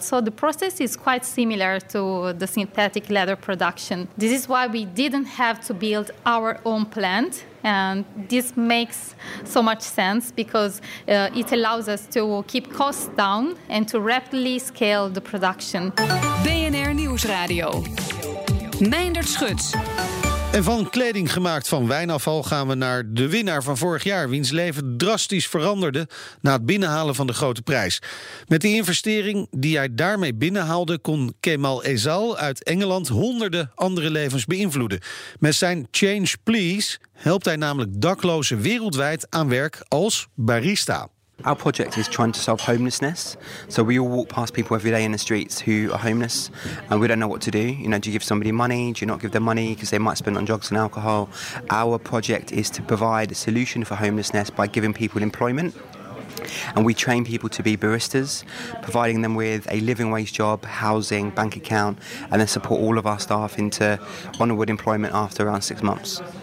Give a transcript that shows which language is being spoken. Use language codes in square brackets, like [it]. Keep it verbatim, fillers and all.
[en] So the process is quite similar to the synthetic leather production. This is why we didn't have to build our own plant. And this makes so much sense because uh, it allows us to keep costs down and to rapidly scale the production. [nl] B N R Nieuwsradio. Meindert Schut. En van kleding gemaakt van wijnafval gaan we naar de winnaar van vorig jaar, wiens leven drastisch veranderde na het binnenhalen van de grote prijs. Met de investering die hij daarmee binnenhaalde, kon Kemal Ezal uit Engeland honderden andere levens beïnvloeden. Met zijn Change Please helpt hij namelijk daklozen wereldwijd aan werk als barista. [en] Our project is trying to solve homelessness. So we all walk past people every day in the streets who are homeless, and we don't know what to do. You know, do you give somebody money? Do you not give them money because they might spend it on drugs and alcohol? Our project is to provide a solution for homelessness by giving people employment. And we train people to be baristas, providing them with a living wage job, housing, bank account, and then support all of our staff into onward employment after around six months.